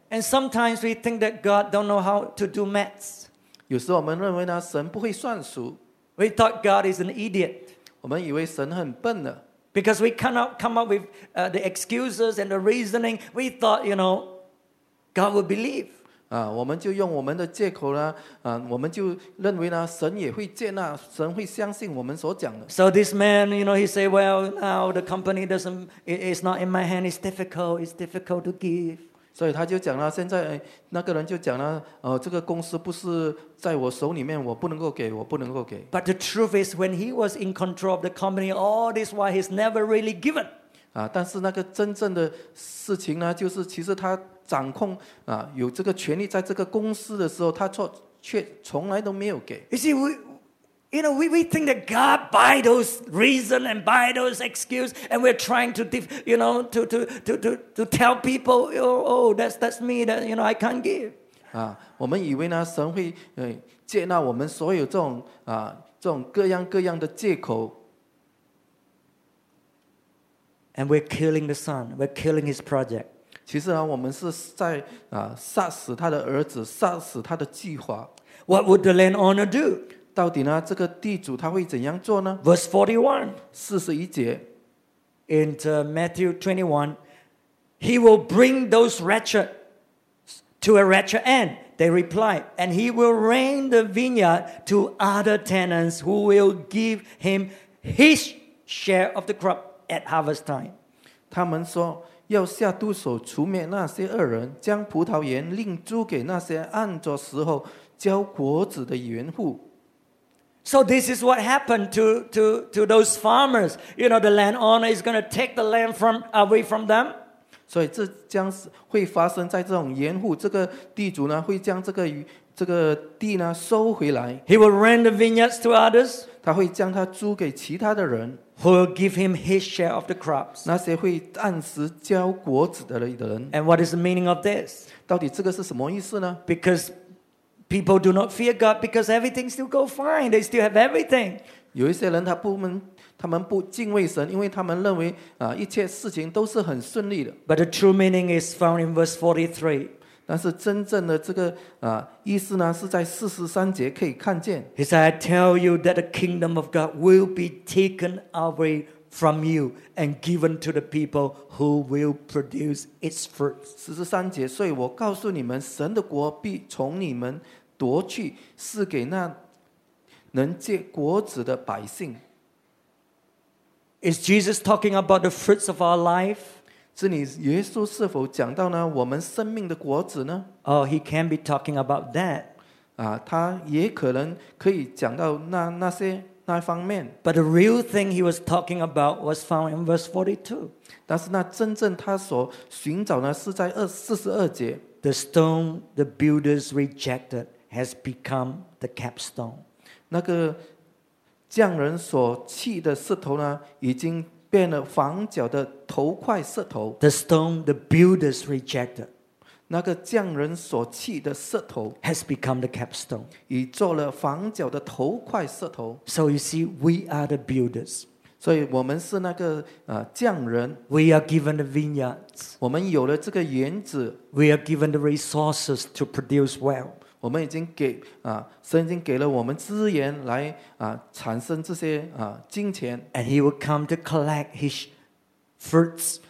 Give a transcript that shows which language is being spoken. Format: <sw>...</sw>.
<en>And sometimes we think that God don't know how to do maths.</en> <zh>有时我们认为呢，神不会算数。</zh> <en>We thought God is an idiot.</en> <zh>我们以为神很笨的。</zh> <en>Because we cannot come up with the excuses and the reasoning, we thought, you know, God would believe.</en> <zh>我们就用我们的借口呢，我们就认为呢，神也会接纳，神会相信我们所讲的。</zh> <en>So this man, you know, he say, well, now the company doesn't, it's not in my hand, it's difficult to give.</en> <zh>所以他就讲了，现在那个人就讲了，这个公司不是在我手里面，我不能够给，我不能够给。</zh> <en>But the truth is, when he was in control of the company, all this while he's never really given.</en> <zh>但是那个真正的事情呢，就是其实他。掌控啊，有这个权力，在这个公司的时候，他却从来都没有给。</zh> <en>You see, we think that God buy those reason and buy those excuse, and we're trying to, you know, to tell people, oh, that's me, that you know, I can't give.</en> <zh>我们以为呢，神会接纳我们所有这种各样的借口。</zh> <en>And we're killing the son. We're killing his project.</en> <zh>其实呢，我们是在杀死他的儿子，杀死他的计划。</zh> <en>What would the landowner do?</en> <zh>到底呢这个地主他会怎样做呢</zh> <en>Verse 41.</en> <zh>41节</zh> <en>In Matthew 21, he will bring those wretched to a wretched end. They replied, and he will rent the vineyard to other tenants who will give him his share of the crop at harvest time.</en> <zh>他们说要下毒手除灭那些恶人，将葡萄园另租给那些按着时候交果子的园户。</zh> <en>So this is what happened to those farmers. You know, the landowner is going to take the land from away from them.</en> <zh>所以这将会发生在这种园户，这个地主呢会将这个地呢收回来。</zh> <en>He will rent the vineyards to others.</en> <zh>他会将它租给其他的人。</zh> <en>Who will give him his share of the crops?</en> <zh>那些会按时交果子的人。</zh> <en>And what is the meaning of this?</en> <zh>到底这个是什么意思呢</zh> <en>？Because people do not fear God because everything still go fine. They still have everything.</en> <zh>有一些人他们不敬畏神，因为他们认为啊一切事情都是很顺利的。</zh> <en>But the true meaning is found in verse 43.</en> <zh>但是真正的这个啊意思呢是在四十三节可以看见。</zh> <en>He said, "I tell you that the kingdom of God will be taken away from you and given to the people who will produce its fruits."</en> <zh>四十三节，所以我告诉你们，神的国必从你们夺去，赐给那能结果子的百姓。</zh> <en>Is Jesus talking about the fruits of our life?</en> <zh>这里耶稣是否讲到呢我们生命的果子呢</zh> <en>？Oh, he can be talking about that.</en> <zh>啊，他也可能可以讲到那些。那方面</zh> <en>But the real thing he was talking about was found in verse 42.</en> <zh>但是那真正他所寻找呢是在42节</zh> <en>The stone the builders rejected has become the capstone.</en> <zh>那个匠人所弃的石头呢已经变了房角的头块石头</zh> <en>The stone the builders rejected.</en> <zh>那个匠人所弃的石头</zh> <en>has become the capstone，</en> <zh>已做了房角的头块石头。</zh> <en>So you see, we are the builders，</en> <zh>所以我们是那个匠人。</zh> <en>We are given the vineyards，</en> <zh>我们有了这个园子。</zh> <en>We are given the resources to produce well，</en> <zh>我们已经给神已经给了我们资源来产生这些金钱。</zh> <en>And he will come to collect his fruits，</en>